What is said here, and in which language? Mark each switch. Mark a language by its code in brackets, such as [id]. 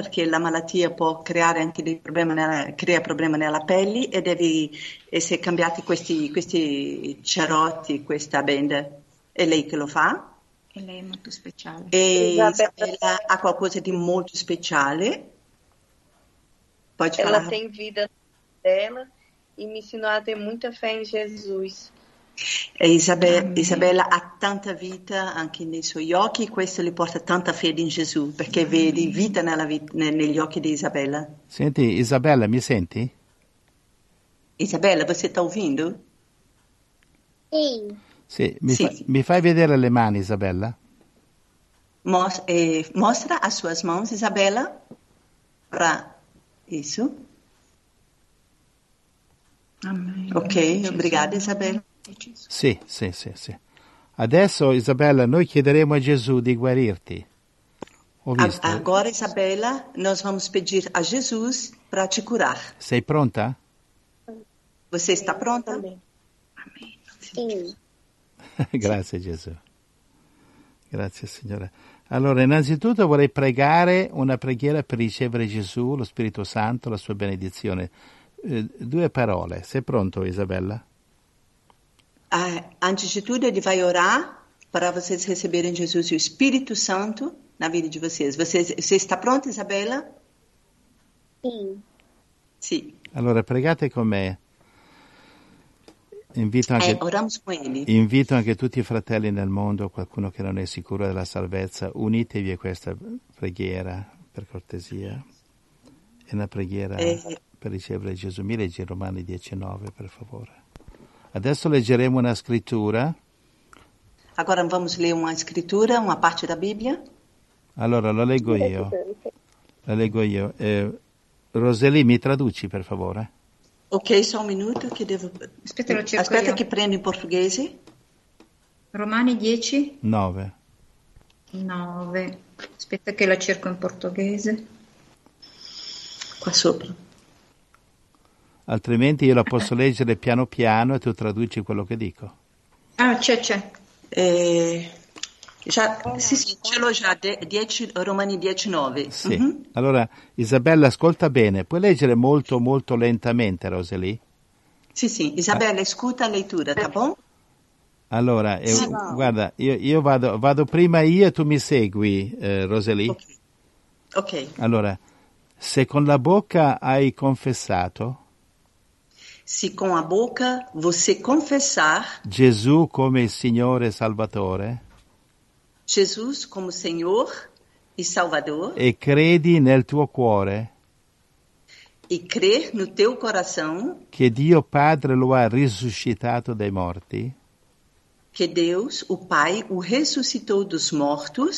[it] Perché la malattia può creare anche dei problemi crea problemi nella pelle e devi essere cambiati questi cerotti, questa benda. È lei che lo fa. Lei è molto speciale. E Isabella ha qualcosa di molto speciale. [pt] Pode Ela falare. tem vida dela e me ensinou a ter muita fé em Jesus. [it] Isabella ha tanta vita anche nei suoi occhi, questo le porta tanta fede in Gesù, perché vedi vita nella vita, negli occhi di Isabella. Senti, Isabella, mi senti? [pt] Isabella, você sta ouvindo? [it] Sì. Sì, Sì. mi fai vedere le mani, Isabella? Mostra le sue mani, Isabella. [pt] Isso. Ok, obrigada, Isabella. [it] Sì. Adesso, Isabella, noi chiederemo a Gesù di guarirti. Ho visto. [pt] Agora, Isabella, nós vamos pedir a Jesus para te curar. [it] Sei pronta? [pt] Você está Amém. pronta? Amém. Amém. [it] Grazie Gesù. Grazie Signore. Allora, innanzitutto vorrei pregare una preghiera per ricevere Gesù, lo Spirito Santo, la sua benedizione. Due parole. Sei pronto, Isabella? Anzitutto devi orare per [pt] vocês receberem Jesus e o Espírito Santo na vida de vocês. Você está pronta, Isabella? Sim. [it] Allora, pregate con me. Invito anche tutti i fratelli nel mondo, qualcuno che non è sicuro della salvezza, unitevi a questa preghiera, per cortesia. È una preghiera per ricevere Gesù. Mi leggi Romani 19, per favore. Adesso leggeremo una scrittura. [pt] Agora vamos ler uma escritura, uma parte da Bibbia. [it] Allora, lo leggo io. La leggo io. Roseli, mi traduci, per favore? [pt] Ok, só um minuto que devo... [it] Aspetta, lo cerco. Aspetta che prendo in portoghese. Romani 10? 9. 9. Aspetta che la cerco in portoghese. Qua sopra. Altrimenti io la posso leggere piano piano e tu traduci quello che dico. Ah, c'è, c'è. Già, sì, sì, ce l'ho già, Romani 19. Sì, mm-hmm. Allora, Isabella, ascolta bene. Puoi leggere molto, molto lentamente, Roseli? Sì, sì, Isabella, ascolta la lettura, [pt] tá bom? [it] Allora, guarda, io vado prima io e tu mi segui, Roseli. Okay. Ok. Allora, se con la bocca hai confessato... [pt] Se con la bocca você confessar... [it] Gesù come Signore Salvatore... [pt] Jesus como Senhor e Salvador. [it] E credi nel tuo cuore. [pt] E crer no teu coração. [it] Que Dio Padre lo ha risuscitato dai morti. [pt] Que Deus, o Pai, o ressuscitou dos mortos.